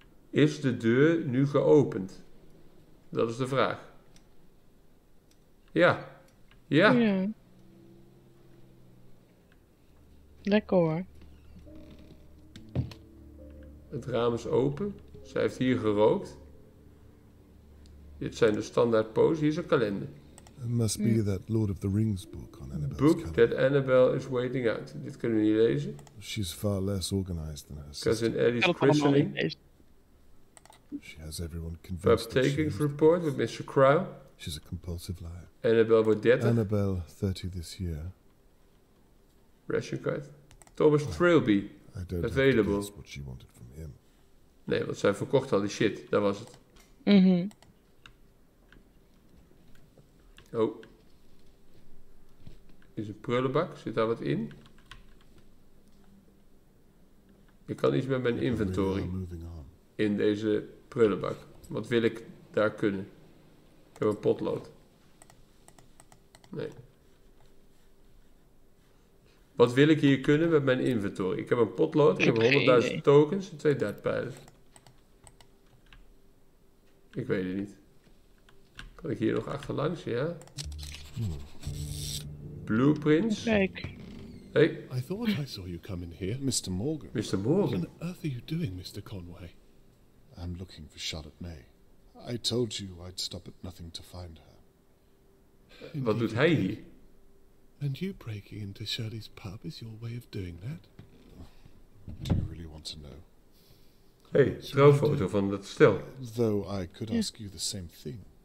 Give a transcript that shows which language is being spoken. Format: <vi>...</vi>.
<nl>Is de deur nu geopend? Dat is de vraag. Ja. Ja. Ja. Lekker hoor. Het raam is open. Zij heeft hier gerookt. Dit zijn de standaard poses. Hier is een kalender.</nl> <en>It must be that Lord of the Rings book on Annabelle's book calendar. That Annabelle is waiting out.</en> <nl>Dit kunnen we niet lezen.</nl> <en>She's far less organized than her sister. Cousin Eddie's christening. She has everyone convinced. Perhaps taking report with Mr. Crow. She's a compulsive liar. Annabelle wordt 30. Annabelle 30 this year. Ration card. Thomas Trilby. I don't available. Have to guess what she wanted.</en> <nl>Nee, want zij verkocht al die shit. Daar was het. Mhm. Oh. Is een prullenbak. Zit daar wat in? Ik kan iets met mijn inventory. In deze prullenbak. Wat wil ik daar kunnen? Ik heb een potlood. Nee. Wat wil ik hier kunnen met mijn inventory? Ik heb een potlood. Ik heb 100.000 tokens. En 2 dartpijlen. Ik weet het niet. Kan ik hier nog achterlangs, ja?</nl> <en>Blueprints.</en> <nl>Kijk.</nl> <en>Hey. I thought I saw you come in here, Mr. Morgan. Mr. Morgan. What on earth are you doing, Mr. Conway? I'm looking for Charlotte May. I told you I'd stop at nothing to find her. Indeed.</en> <nl>Wat doet hij hier?</nl> <en>And you breaking into Shirley's pub is your way of doing that? Do you really want to know?</en> <nl>Hey, trouwfoto van dat stel.</nl> <en>Though I could ask you the same thing.</en>